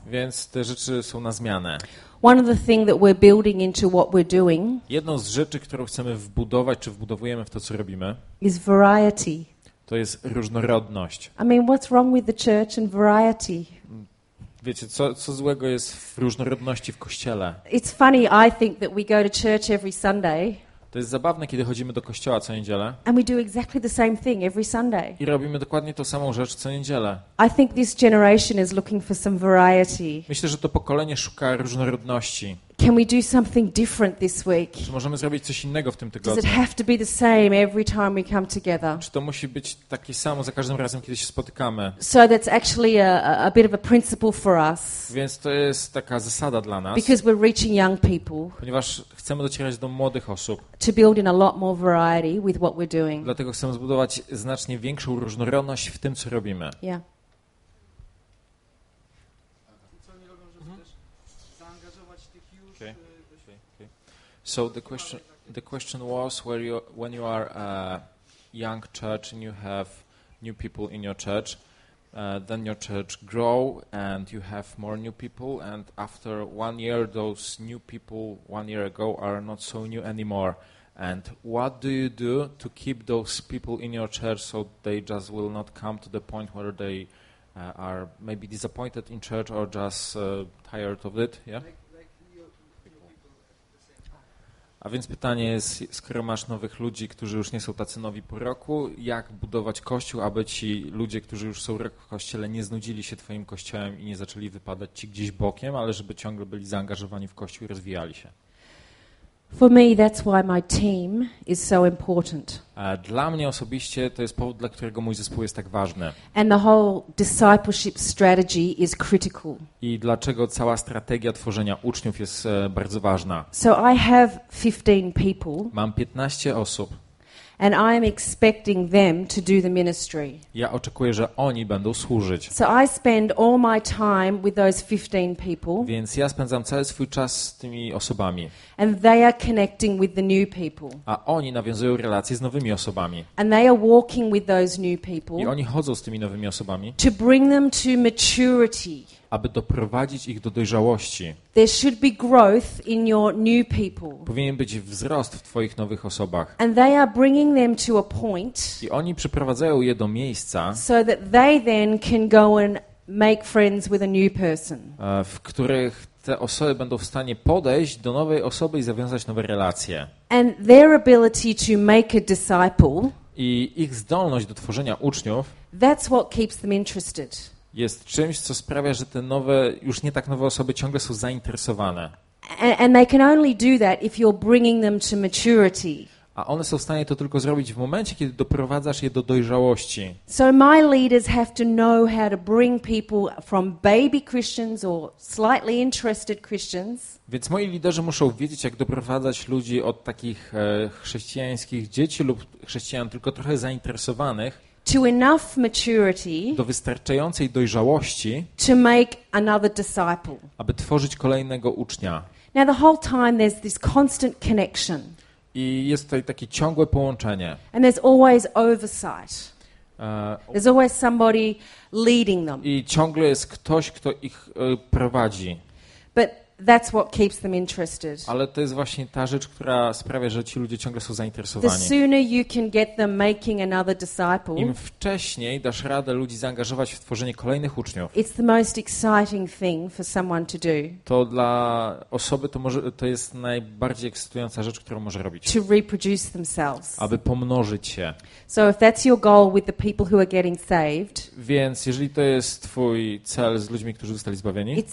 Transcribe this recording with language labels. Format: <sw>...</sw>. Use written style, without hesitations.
<pl>Więc te rzeczy są na zmianę.</pl> <en>One of the things that we're building into what we're doing.</en> <pl>Jedną z rzeczy, którą chcemy wbudować czy wbudowujemy w to, co robimy.</pl> <en>Is variety.</en> <pl>To jest różnorodność.</pl> <en>I mean, what's wrong with the church and variety?</en> <pl>Wiecie, co złego jest w różnorodności w kościele?</pl> <en>It's funny, I think that we go to church every Sunday.</en> <pl>To jest zabawne, kiedy chodzimy do kościoła co niedzielę.</pl> <en>And we do exactly the same thing every Sunday.</en> <pl>I robimy dokładnie tą samą rzecz co niedzielę.</pl> <en>I think this generation is looking for some variety.</en> <pl>Myślę, że to pokolenie szuka różnorodności.</pl> <en>Can we do something different this week?</en> <pl>Czy możemy zrobić coś innego w tym tygodniu?</pl> <en>Does it have to be the same every time we come together?</en> <pl>Czy to musi być takie samo za każdym razem, kiedy się spotykamy?</pl> <en>So that's actually a bit of a principle for us.</en> <pl>Więc to jest taka zasada dla nas.</pl> <en>Because we're reaching young people.</en> <pl>Ponieważ chcemy docierać do młodych osób.</pl> <en>To build in a lot more variety with what we're doing.</en> <pl>Dlatego chcemy zbudować znacznie większą różnorodność w tym, co robimy.</pl> <en>Yeah. So the question was when you are a young church and you have new people in your church, then your church grow and you have more new people, and after 1 year those new people 1 year ago are not so new anymore. And what do you do to keep those people in your church so they just will not come to the point where they are maybe disappointed in church or just tired of it? Yeah.</en> <pl>A więc pytanie jest, skoro masz nowych ludzi, którzy już nie są tacy nowi po roku, jak budować kościół, aby ci ludzie, którzy już są rok w kościele, nie znudzili się twoim kościołem i nie zaczęli wypadać ci gdzieś bokiem, ale żeby ciągle byli zaangażowani w kościół i rozwijali się?</pl> <en>For me, that's why my team is so important.</en> <pl>Dla mnie osobiście to jest powód, dla którego mój zespół jest tak ważny.</pl> <en>And the whole discipleship strategy is critical.</en> <pl>I dlaczego cała strategia tworzenia uczniów jest bardzo ważna.</pl> <en>So I have 15 people.</en> <pl>Mam 15 osób.</pl> <en>And I am expecting them to do the ministry.</en> <pl>Ja oczekuję, że oni będą służyć.</pl> <en>So I spend all my time with those 15 people.</en> <pl>Więc ja spędzam cały swój czas z tymi osobami.</pl> <en>And they are connecting with the new people.</en> <pl>A oni nawiązują relacje z nowymi osobami.</pl> <en>And they are walking with those new people.</en> <pl>I oni chodzą z tymi nowymi osobami.</pl> <en>To bring them to maturity.</en> <pl>Aby doprowadzić ich do dojrzałości.</pl> <en>There should be growth in your new people.</en> <pl>Powinien być wzrost w twoich nowych osobach.</pl> <en>And they are bringing them to a point.</en> <pl>I oni przyprowadzają je do miejsca.</pl> <en>So that they then can go and make friends with a new person.</en> <pl>W których te osoby będą w stanie podejść do nowej osoby i zawiązać nowe relacje.</pl> <en>And their ability to make a disciple.</en> <pl>I ich zdolność do tworzenia uczniów.</pl> <en>That's what keeps them interested.</en> <pl>Jest czymś, co sprawia, że te nowe, już nie tak nowe osoby ciągle są zainteresowane.</pl> <en>And they can only do that if you're bringing them to maturity.</en> <pl>A one są w stanie to tylko zrobić w momencie, kiedy doprowadzasz je do dojrzałości.</pl> <en>So my leaders have to know how to bring people from baby Christians or slightly interested Christians.</en> <pl>Więc moi liderzy muszą wiedzieć, jak doprowadzać ludzi od takich chrześcijańskich dzieci lub chrześcijan tylko trochę zainteresowanych.</pl> <en>To enough maturity,</en> <pl>do wystarczającej dojrzałości,</pl> <en>to make another disciple,</en> <pl>aby tworzyć kolejnego ucznia.</pl> <en>Now the whole time there's this constant connection.</en> <pl>I jest tutaj takie ciągłe połączenie.</pl> <en>And there's always oversight. There's always somebody leading them.</en> <pl>I ciągle jest ktoś, kto ich prowadzi.</pl> <en>But that's what keeps them interested.</en> <pl>Ale to jest właśnie ta rzecz, która sprawia, że ci ludzie ciągle są zainteresowani.</pl> <en>The sooner you can get them making another disciple.</en> <pl>Im wcześniej dasz radę ludzi zaangażować w tworzenie kolejnych uczniów.</pl> <en>It's the most exciting thing for someone to do.</en> <pl>To dla osoby to jest najbardziej ekscytująca rzecz, którą może robić.</pl> <en>To reproduce themselves.</en> <pl>Aby pomnożyć się.</pl> <en>So if that's your goal with the people who are getting saved.</en> <pl>Więc jeżeli to jest twój cel z ludźmi, którzy zostali zbawieni.</pl>